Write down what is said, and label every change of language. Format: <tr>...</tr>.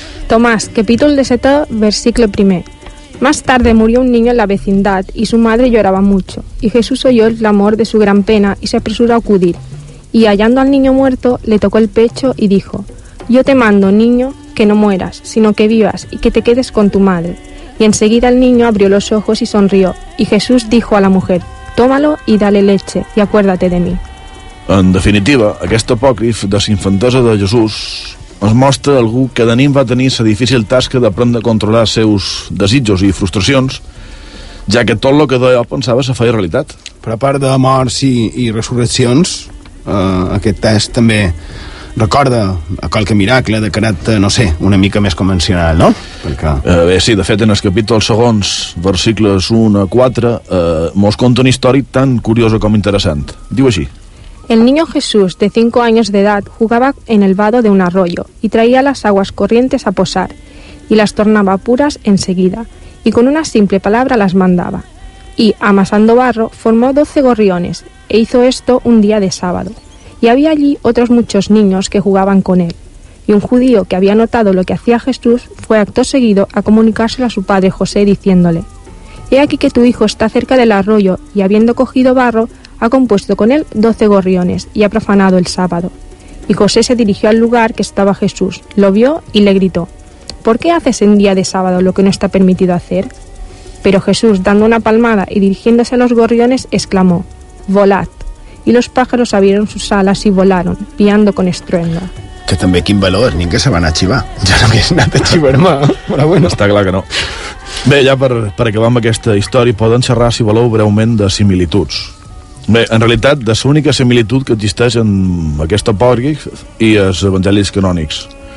<ca>Tomàs, capítol 17, versicle 1.</ca> <es>Más tarde murió un niño en la vecindad y su madre lloraba mucho. Y Jesús oyó el clamor de su gran pena y se apresuró a acudir. Y hallando al niño muerto, le tocó el pecho y dijo: «Yo te mando, niño, que no mueras, sino que vivas y que te quedes con tu madre». Y enseguida el niño abrió los ojos y sonrió. Y Jesús dijo a la mujer: «Tómalo y dale leche y acuérdate de mí».</es> <ca>En definitiva, aquest apòcrif de l'infantesa de Jesús es mostra algú que de nin va tenir la difícil tasca d'aprendre a controlar els seus desitjos i frustracions, ja que tot el que d'allò pensava se feia realitat. Però a part de morts i resurreccions, aquest test també recorda a qualque miracle de caràcter, no sé, una mica més convencional, no? Perquè... bé, sí, de fet, en els capítols segons, versicles 1 a 4, mos conta una història tan curiosa com interessant. Diu així:</ca> <es>«El niño Jesús, de 5 años de edad, jugaba en el vado de un arroyo y traía las aguas corrientes a posar y las tornaba puras enseguida y con una simple palabra las mandaba. Y, amasando barro, formó 12 gorriones e hizo esto un día de sábado. Y había allí otros muchos niños que jugaban con él. Y un judío que había notado lo que hacía Jesús fue acto seguido a comunicárselo a su padre José diciéndole: «He aquí que tu hijo está cerca del arroyo y habiendo cogido barro, ha compuesto con él 12 gorriones y ha profanado el sábado». Y José se dirigió al lugar que estaba Jesús, lo vio y le gritó: «¿Por qué haces en día de sábado lo que no está permitido hacer?». Pero Jesús, dando una palmada y dirigiéndose a los gorriones, exclamó: «Volad». Y los pájaros abrieron sus alas y volaron, piando con estruendo.</es> <ca>Que també quin valor, ni que se van a xivar. Ja no hagués anat a xivar-me, però bueno. Està clar que no. Bé, ja per acabar amb aquesta història, poden xerrar, si voleu, breument de similituds. Bé, en realitat, de l'única similitud que existeix en aquest apòcrif i els evangelis canònics.</ca>